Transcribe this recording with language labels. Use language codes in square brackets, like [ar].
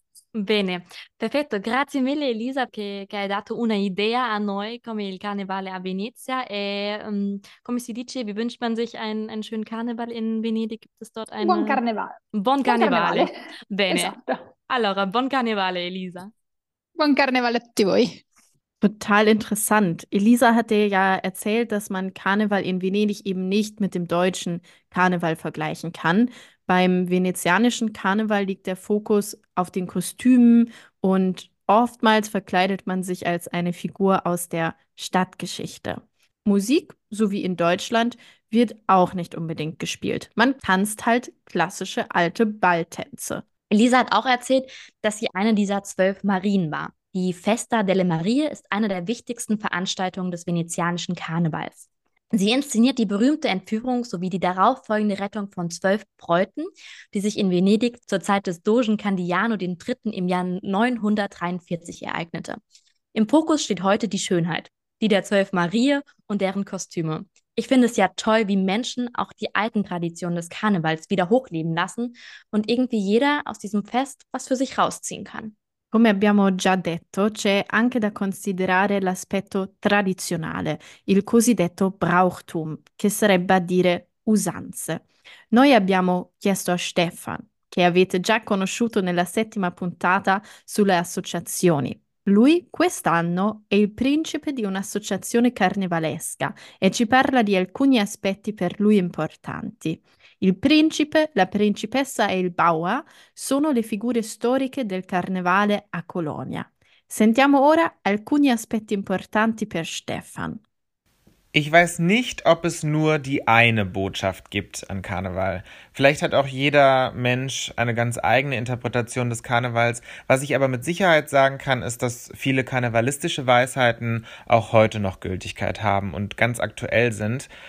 [it] Bene, perfetto, grazie mille Elisa che hai dato una idea a noi come il carnevale a Venezia e come si dice, [de] wie wünscht man sich einen schönen Karneval in Venedig? Gibt es dort [it] Buon [de] eine? [it] carnevale. Buon Buon carnevale. carnevale. Bene, Esatto. allora, buon carnevale Elisa. Buon carnevale a tutti voi. [de] Total interessant. Elisa hat dir ja erzählt, dass man Karneval in Venedig eben nicht mit dem deutschen Karneval vergleichen kann. Beim venezianischen Karneval liegt der Fokus auf den Kostümen und oftmals verkleidet man sich als eine Figur aus der Stadtgeschichte. Musik, so wie in Deutschland, wird auch nicht unbedingt gespielt. Man tanzt halt klassische alte Balltänze. Elisa hat auch erzählt, dass sie eine dieser 12 Marien war. Die Festa delle Marie ist eine der wichtigsten Veranstaltungen des venezianischen Karnevals. Sie inszeniert die berühmte Entführung sowie die darauffolgende Rettung von 12 Bräuten, die sich in Venedig zur Zeit des Dogen Candiano III. Im Jahr 943 ereignete. Im Fokus steht heute die Schönheit, die der 12 Marie und deren Kostüme. Ich finde es ja toll, wie Menschen auch die alten Traditionen des Karnevals wieder hochleben lassen und irgendwie jeder aus diesem Fest was für sich rausziehen kann. [it] Come abbiamo già detto, c'è anche da considerare l'aspetto tradizionale, il cosiddetto Brauchtum, che sarebbe a dire usanze. Noi abbiamo chiesto a Stefan, che avete già conosciuto nella settima puntata sulle associazioni. Lui quest'anno è il principe di un'associazione carnevalesca e ci parla di alcuni aspetti per lui importanti. Il principe, la principessa e il Bauer sono le figure storiche del carnevale a Colonia. Sentiamo ora alcuni aspetti importanti per Stefan. [de] Ich weiß nicht, ob es nur die eine Botschaft gibt an Karneval. Vielleicht hat auch jeder Mensch eine ganz eigene Interpretation des Karnevals. Was ich aber mit Sicherheit sagen kann, ist, dass viele karnevalistische Weisheiten auch heute noch Gültigkeit haben und ganz aktuell sind.